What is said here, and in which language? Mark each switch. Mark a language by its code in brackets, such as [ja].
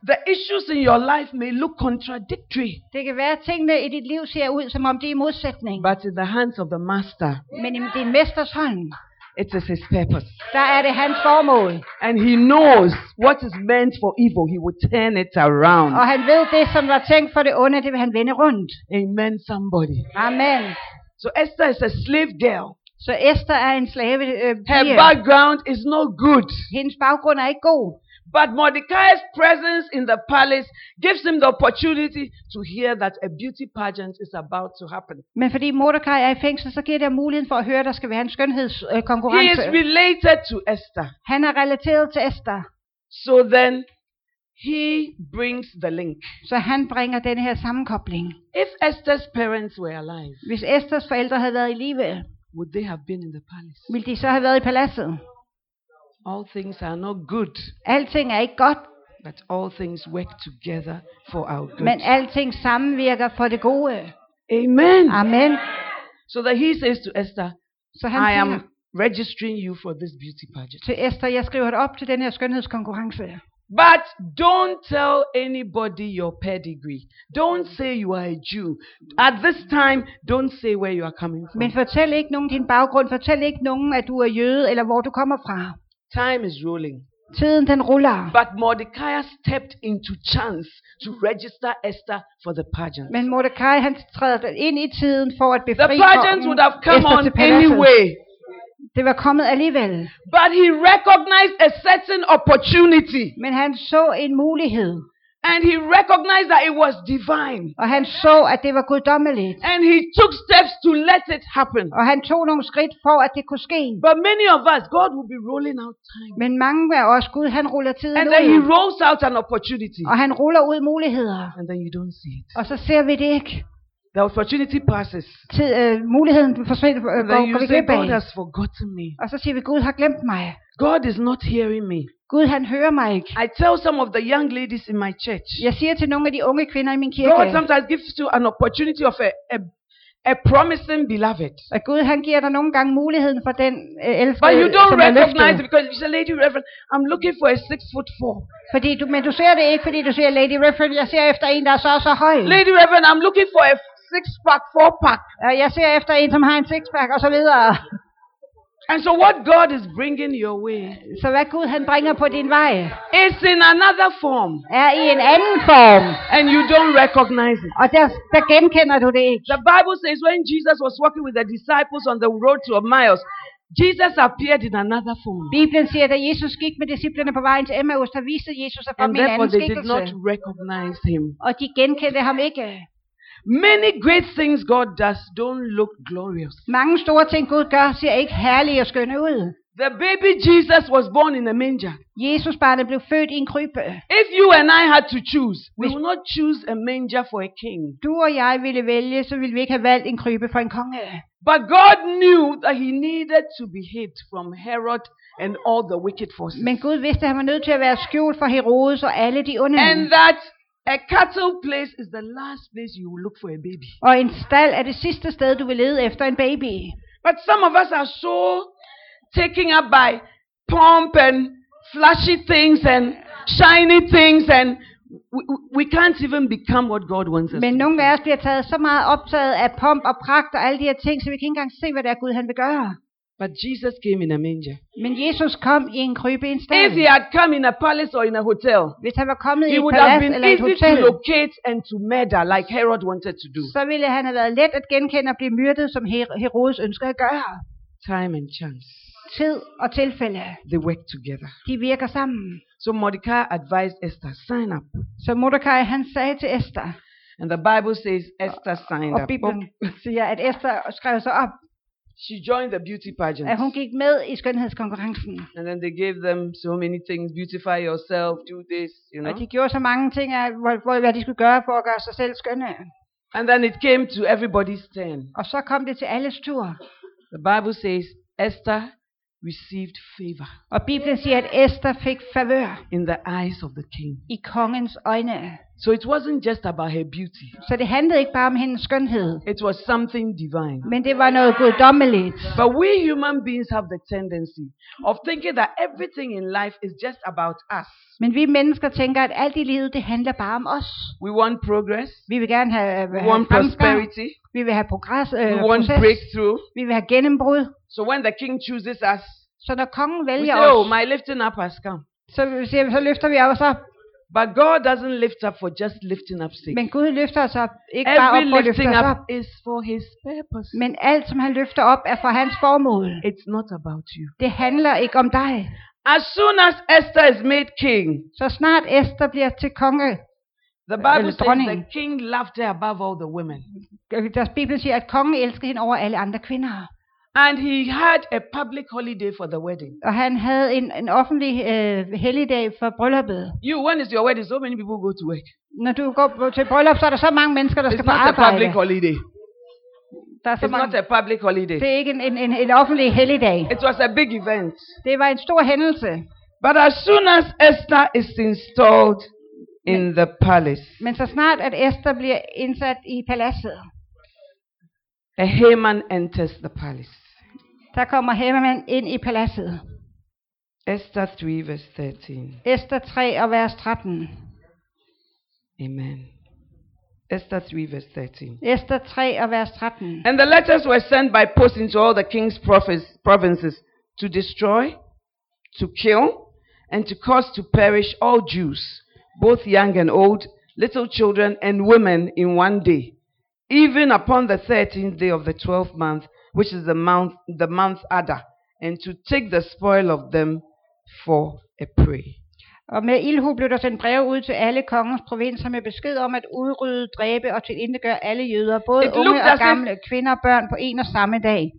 [en] The issues in your life may look contradictory. [da] Det kan være tingene i dit liv ser ud som om det er modsætning. [en] But in the hands of the master, [da] men i din mesters hånd, [en] it is his purpose. [da] Der er det hans formål. [en] And he knows what is meant for evil, he will turn it around. [da] Og han ved det som var tænkt for det onde, det vil han vende rundt. [en] Amen, somebody. [da] Amen. [en] So Esther is a slave girl. [da] Så Esther er en slave. [en] Her background is no good. [da] Hendes baggrund er ikke god. [en] But Mordecai's presence in the palace gives him the opportunity to hear that a beauty pageant is about to happen. [da] Men fordi Mordecai er i fængsel, så giver det muligheden for at høre, at der skal være en skønhedskonkurrence. [en] He is related to Esther. [da] Han er relateret til Esther. [en] So then he brings the link. [da] Så han bringer den her sammenkobling. [en] If Esther's parents were alive, [da] hvis Esthers forældre havde været i live, [en] would they have been in the palace? [da] Ville de så have været i paladset? [en] All things are not good. [da] Alting er ikke godt. [en] But all things work together for our good. [da] Men alting sammenvirker for det gode. [en] Amen. [da] Amen. [en] So that he says to Esther, [da] så han siger, [en] I am registering you for this beauty pageant. [da] Til Esther, jeg skriver dig op til den her skønhedskonkurrence. [en] But don't tell anybody your pedigree. Don't say you are a Jew. At this time, don't say where you are coming from. [da] Men fortæl ikke nogen din baggrund. Fortæl ikke nogen, at du er jøde eller hvor du kommer fra. [en] Time is rolling. [da] Tiden den ruller. [en] But Mordecai stepped into chance to register Esther for the pageant. [da] Men Mordecai han træder ind i tiden for at befri [en] Esther. The pageant would have come on anyway. [da] Det var kommet alligevel. [en] But he recognized a certain opportunity. [da] Men han så en mulighed. [en] And he recognized that it was divine. [da] Og han så at det var guddommeligt. [en] And he took steps to let it happen. [da] Og han tog nogle skridt for at det kunne ske. [en] But many of us, God will be rolling out time. [da] Men mange af os, Gud han ruller tiden ud. [en] And then he rolls out an opportunity. [da] Og han ruller ud muligheder. [en] And then you don't see it. [da] Og så ser vi det ikke. [en] The opportunity passes. [da] Muligheden forsvinder. [en] Then you say God has forgotten me. [da] Og så siger vi Gud har glemt mig. [en] God is not hearing me. [da] Gud han hører mig ikke. [en] I tell some of the young ladies in my church. [da] Jeg siger til nogle af de unge kvinder i min kirke. [en] God sometimes gives you an opportunity of a promising beloved. [da] At Gud han giver dig nogle gange muligheden for den elskede. [en] But you don't recognize it because you say, Lady Reverend, I'm looking for a 6'4". [da] Fordi du, men du ser det ikke, fordi du siger, Lady Reverend, jeg ser efter en, der er så høj. [en] Lady Reverend, I'm looking for a 6-pack, 4-pack. [da] Jeg ser efter en, som har en 6-pack og så videre. [en] And so what God is bringing your way? [da] Så hvad Gud han bringer på din vej? [en] It's in another form. [da] Er i en anden form. [en] And you don't recognize it. [da] Og der genkender du det ikke. [en] The Bible says when Jesus was walking with the disciples on the road to Emmaus, Jesus appeared in another form. [da] Bibelen siger, at Jesus gik med disciplerne på vejen til Emmaus, der viste Jesus sig fra en anden skikkelse. [en] And therefore they did not recognize him. [da] Og de genkendte ham ikke. [en] Many great things God does don't look glorious. [da] Mange store ting Gud gør ser ikke herlige og skønne ud. [en] The baby Jesus was born in a manger. [da] Jesus barnet blev født i en krybbe. [en] If you and I had to choose, we would not choose a manger for a king. [da] Du og jeg ville vælge, så ville vi ikke have valgt en krybbe for en konge. [en] But God knew that he needed to be hid from Herod and all the wicked forces. [da] Men Gud vidste, at han var nødt til at være skjult for Herodes og alle de onde. [en] And that a cattle place is the last place you will look for a baby. [da] Og en stald er det sidste sted du vil lede efter en baby. [en] But some of us are so taken up by pomp and flashy things and shiny things and we can't even become what God wants us. [da] Men nogle af os bliver taget så meget optaget af pomp og pragt og alle de her ting, så vi kan ikke engang se hvad det er Gud han vil gøre. [en] But Jesus came in a manger. [da] Men Jesus kom i en krybbe i en stald. [en] If he had come in a palace or in a hotel, [da] hvis han var kommet [en] he [da] i et [en] would [da] palads [en] have been easy [da] hotel, [en] to locate and to murder like Herod wanted to do. [da] Så ville han have været let at genkende og blive myrdet som Herodes ønskede at gøre. [en] Time and chance. [da] Tid og tilfælde. [en] They work together. [da] De virker sammen. [en] So Mordecai advised Esther, sign up. [da] Så Mordecai han sagde til Esther. [en] And the Bible says Esther signed [da] og [en] up. [da] Og Bibelen siger at Esther skrev sig op. [en] She joined the beauty pageant. [da] At hun gik med i skønhedskonkurrencen. [en] And then they gave them so many things. Beautify yourself, do this, you know. [da] Og de gjorde så mange ting, hvad de skulle gøre for at gøre sig selv skønne. [en] And then it came to everybody's turn. [da] Og så kom det til alles tur. [en] The Bible says Esther received favor. [da] Og Bibelen siger, at Esther fik favør. [en] In the eyes of the king. [da] I kongens øjne. [en] So it wasn't just about her beauty. [da] Så det handlede ikke bare om hendes skønhed. [en] It was something divine. [da] Men det var noget guddommeligt. [en] But we human beings have the tendency of thinking that everything in life is just about us. [da] Men vi mennesker tænker at alt i livet det handler bare om os. [en] We want progress. [da] Vi vil gerne have [en] prosperity. [da] Vi vil have progress. [en] We want [da] proces. [en] Breakthrough. [da] Vi vil have gennembrud. [en] So when the king chooses us. [da] Så når kongen vælger [en] we say, [da] os. [en] Oh, my lifting up has come. [da] Så vi siger, så løfter vi os op. [en] But God doesn't lift up for just lifting up sake. [da] Men Gud løfter os op ikke [en] every [da] bare op for at løfte [en] lifting [da] os [en] up [da] op. [en] Is for his purpose. [da] Men alt som han løfter op er for hans formål. [en] It's not about you. [da] Det handler ikke om dig. [en] As soon as Esther is made king. [da] Så snart Esther bliver til konge. [en] The Bible [da] eller dronning, [en] says the king loved her above all the women. [da] Deres Bibel siger at kongen elskede hende over alle andre kvinder. [en] And he had a public holiday for the wedding. [da] Og han havde en offentlig helligdag for brylluppet. [en] You, when is your wedding? So many people go to work. [da] Når du går til bryllup, så er der så mange mennesker, der [en] it's [da] skal på arbejde. [en] It's not a public holiday. [da] Der er så [en] it's [da] mange, [en] not a public holiday. [da] Det er ikke en offentlig helligdag. [en] It was a big event. [da] Det var en stor hændelse. [en] But as soon as Esther is installed in the palace. [da] Men så snart at Esther bliver indsat i paladset. [en] A Haman enters the palace. [da] Der kommer Haman ind i paladset. [en] Esther 3 verse 13. [da] Esther 3 og vers 13. [en] Amen. Esther 3 verse 13. [da] Esther 3 og vers 13. [en] And the letters were sent by post into all the king's provinces to destroy, to kill, and to cause to perish all Jews, both young and old, little children and women in one day. Even upon the 13th day of the 12th month, which is the month Adar, and to take the spoil of them for a prey. [da] Og med ildhu blev der sendt brev ud til alle kongens provinser med besked om at udrydde, dræbe og tilintetgøre alle jøder, både unge og gamle, kvinder og børn på en og samme dag.